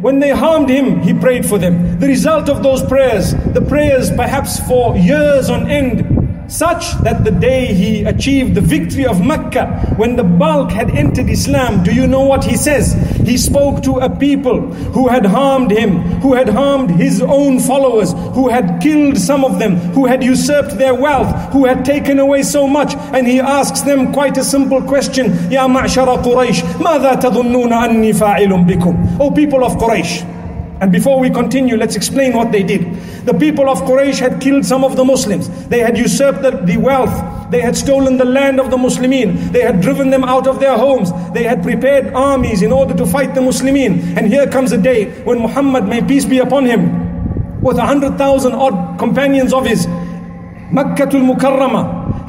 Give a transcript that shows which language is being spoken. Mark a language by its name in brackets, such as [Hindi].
[English] When they harmed him, he prayed for them. The result of those prayers, the prayers perhaps for years on end, such that the day he achieved the victory of Mecca, when the bulk had entered Islam, do you know what he says? He spoke to a people who had harmed him, who had harmed his own followers, who had killed some of them, who had usurped their wealth, who had taken away so much, and he asks them quite a simple question. [Arabic] Ya ma'shara Quraysh, ماذا تظنون أني فاعل بكم? [English] O people of Quraysh. And before we continue, let's explain what they did. The people of Quraysh had killed some of the Muslims. They had usurped the wealth. They had stolen the land of the Muslimin. They had driven them out of their homes. They had prepared armies in order to fight the Muslimin. And here comes a day when Muhammad, may peace be upon him, with 100,000 odd companions of his, Makkatul Mukarramah.